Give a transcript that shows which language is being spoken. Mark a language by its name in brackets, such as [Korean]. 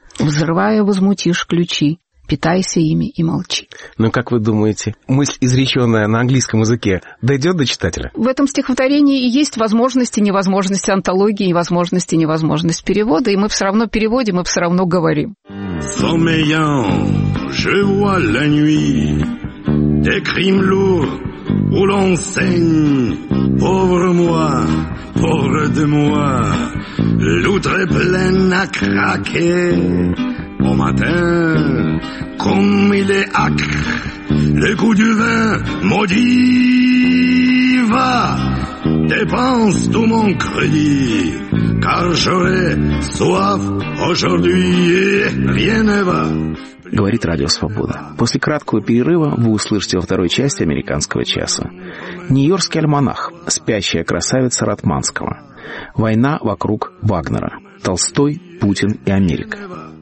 [Russian] Взрывая, возмутишь ключи, питайся ими и молчи». Ну, как вы думаете, мысль, изреченная на английском языке, дойдет до читателя? В этом стихотворении и есть возможности, невозможности антологии, и возможности, невозможность перевода, и мы все равно переводим, и все равно говорим. [French] Sommeillant, je vois la nuit, des crimes lourds, où l'on saigne. Pauvre moi, pauvre de moi, l'outre est pleine à craquer. Au matin, comme il est âcre, le goût du vin maudit va. Dépense tout mon crédit, car j'aurai soif aujourd'hui et rien ne va. [Russian] Говорит Радио Свобода. После краткого перерыва вы услышите во второй части «Американского часа». Нью-Йоркский альманах, спящая красавица Ратманского, война вокруг Вагнера, Толстой, Путин и Америка.